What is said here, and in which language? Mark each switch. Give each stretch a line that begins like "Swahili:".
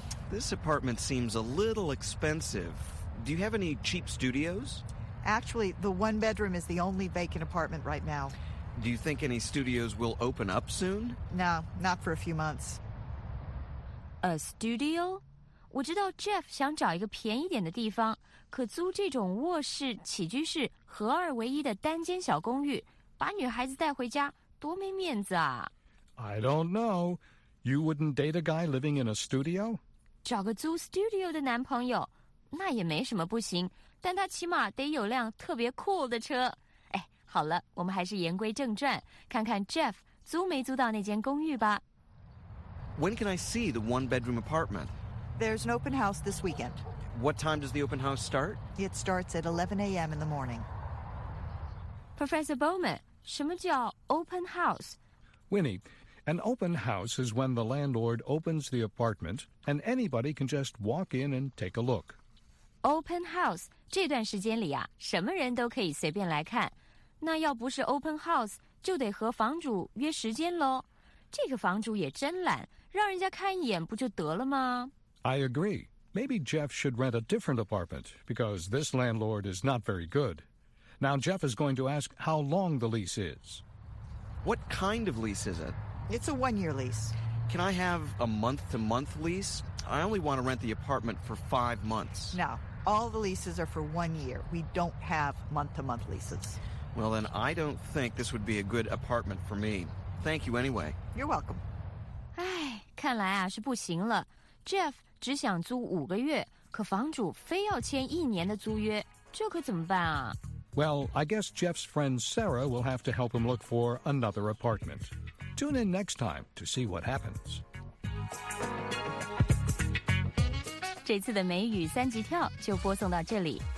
English: This apartment seems a little expensive. Do you have any cheap studios? Actually, the one bedroom is the only vacant apartment right now. Do you think any studios will open up soon? No, not for a few months. A studio?
Chinese: 我知道 Jeff 想找一个便宜点的地方，可租这种卧室、起居室、合二为一的单间小公寓，把女孩子带回家，多没面子啊。
English: I don't know. You wouldn't date a guy living in a studio?
Chinese: 找个租 studio 的男朋友，那也没什么不行，但他起码得有辆特别 cool 的车。哎，好了，我们还是言归正传，看看 Jeff 租没租到那间公寓吧。
English: When can I see the one-bedroom apartment? There's an open house this weekend. What time does the open house start? It starts at 11 a.m. in the morning.
Chinese: Professor Bowman, 什么叫 open house?
English: Winnie... An open house is when the landlord opens the apartment and anybody can just walk in and take a look.
Chinese: Open house, 这段时间里啊，什么人都可以随便来看。那要不是 open house, 就得和房主约时间咯。这个房主也真懒，让人家看一眼不就得了吗？
English: I agree. Maybe Jeff should rent a different apartment because this landlord is not very good. Now Jeff is going to ask how long the lease is. What kind of lease is it? It's a one-year lease. Can I have a month-to-month lease? I only want to rent the apartment for 5 months. No, all the leases are for 1 year. We don't have month-to-month leases. Well, then I don't think this would be a good apartment for me. Thank you anyway. You're welcome.
Chinese: 哎，看来啊是不行了。 Jeff 只想租五个月，可房主非要签一年的租约，这可怎么办啊？
English: Well, I guess Jeff's friend Sarah will have to help him look for another apartment. Tune in next time to see what happens.
Chinese: 这次的美语三级跳就播送到这里。